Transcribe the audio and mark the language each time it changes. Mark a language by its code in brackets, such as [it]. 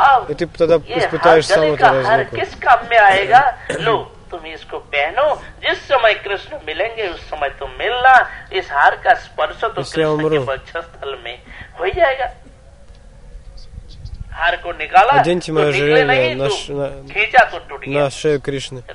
[ru] И ты тогда испытаешь сам этот звук. [hi] तुम इसको पहनो जिस समय कृष्ण मिलेंगे उस समय तुम मिलना इस हार का स्पर्श तो कृष्ण के वक्षस्थल में हो जाएगा. Хар ко никала. [ru] Оденьте моё ожерелье на шею Кришны.